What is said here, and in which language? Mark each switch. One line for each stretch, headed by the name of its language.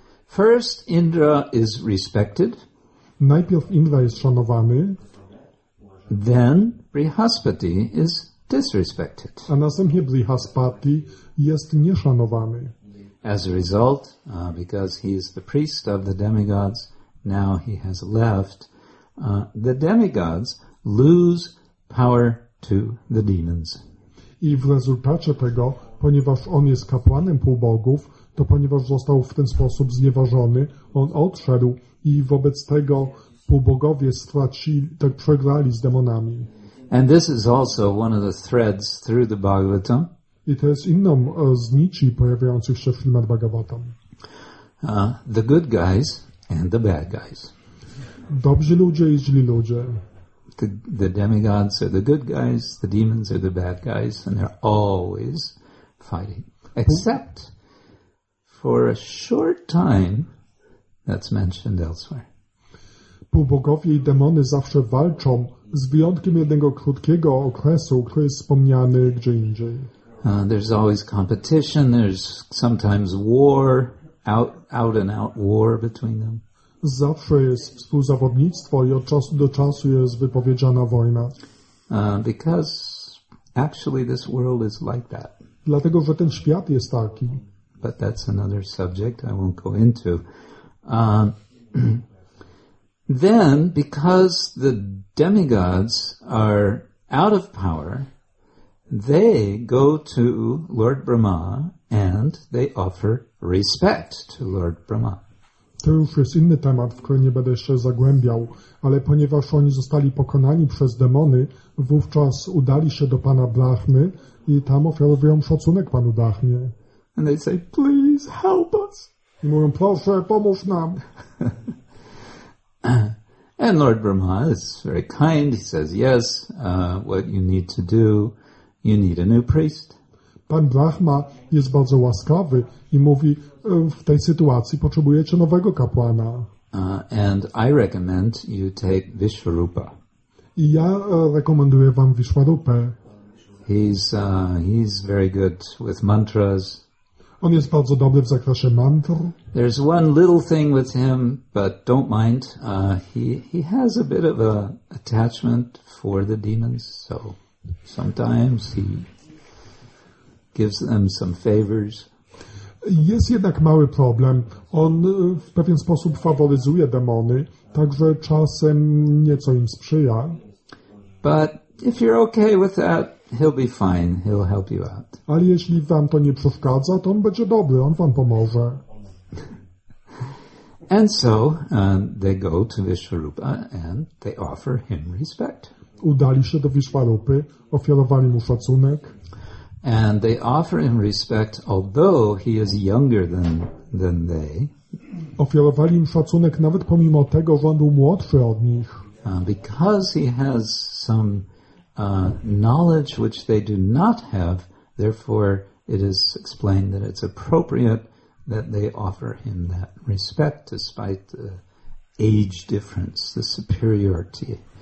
English: First, Indra is respected.
Polish: Najpierw Indra jest szanowany.
English: Then, Brihaspati is disrespected.
Polish: A następnie Brihaspati jest nieszanowany.
English: As a result, because he is the priest of the demigods, now he has left, the demigods lose power to the demons.
Polish: I w rezultacie tego, ponieważ on jest kapłanem półbogów, to ponieważ został w ten sposób znieważony, on odszedł i wobec tego półbogowie przegrali z demonami.
English: And this is also one of the threads through the Bhagavatam.
Polish: I to jest inną z nici pojawiających się w filmach Bhagavatam.
English: The good guys and the bad guys.
Polish: Dobrzy ludzie i źli ludzie.
English: The demigods are the good guys, the demons are the bad guys, and they're always fighting. Except for a short time, that's mentioned elsewhere.
Polish: Półbogowie i demony zawsze walczą, z wyjątkiem jednego krótkiego okresu, który jest wspomniany gdzie indziej.
English: There's always competition, there's sometimes war, out and out war between them.
Polish: Zawsze jest współzawodnictwo i od czasu do czasu jest wypowiedziana wojna.
English: Because actually this world is like that.
Polish: Dlatego, że ten świat jest taki.
English: But that's another subject I won't go into. Then, because the demigods are out of power, they go to Lord Brahma and they offer respect to Lord Brahma.
Polish: To już jest inny temat, w który nie będę się zagłębiał, ale ponieważ oni zostali pokonani przez demony, wówczas udali się do pana Brahmy i tam ofiarowują szacunek panu Brahmie.
English: And they say, please help us.
Polish: I mówią, proszę, pomóż nam.
English: And Lord Brahma is very kind. He says, yes, what you need to do. You need a new priest.
Polish: Pan Brahma jest bardzo łaskawy i mówi, w tej sytuacji potrzebujecie nowego kapłana.
English: And I recommend you take Vishwarupa.
Polish: I ja rekomenduję wam Vishwarupę.
English: He's very good with mantras.
Polish: On jest bardzo dobry w zakresie mantr.
English: There's one little thing with him, but don't mind. He has a bit of a attachment for the demons, so sometimes he gives them some favors.
Polish: Jest jednak mały problem. On w pewien sposób faworyzuje demony, także czasem nieco im sprzyja.
English: But if you're okay with that, he'll be fine. He'll help you out.
Polish: Ale jeśli wam to nie przeszkadza, to on będzie dobry. On wam pomoże.
English: And so they go to Vishwarupa and they offer him respect.
Polish: Udali się do Vishwarupy, ofiarowali mu szacunek.
English: And they offer him respect, although he is younger than they.
Polish: Ofiarowali im szacunek nawet pomimo tego, że on był młodszy od nich.
English: Because he has some knowledge which they do not have, therefore it is explained that it's appropriate that they offer him that respect despite the age difference, the superiority.